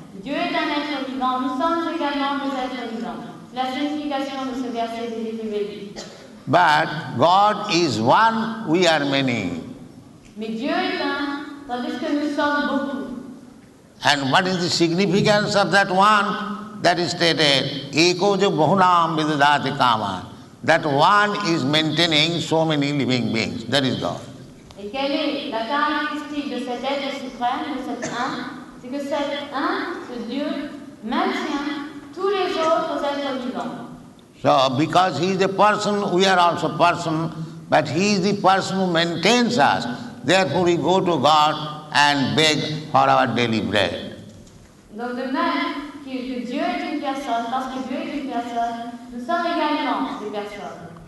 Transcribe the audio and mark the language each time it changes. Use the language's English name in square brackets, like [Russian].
[French] Dieu est un être vivant, nous sommes également des êtres vivants. La signification de ce verset est du Vedic. [English] But God is one, we are many. [French] Mais Dieu est un, tandis que nous sommes beaucoup. [English] And what is the significance of that one? That is stated, [Sanskrit] eko jo bahunam vidadati kama. [English] That one is maintaining so many living beings. That is God. [French] Et quelle est la caractéristique de cet être suprême, de cet un? C'est que cet un, ce Dieu, maintient tous les autres êtres vivants. [English] So, because he is a person, we are also person, but he is the person who maintains us. Therefore, we go to God and beg for our daily bread. [French] Donc, de même que Dieu est une personne, parce que Dieu est une personne, nous sommes également des personnes.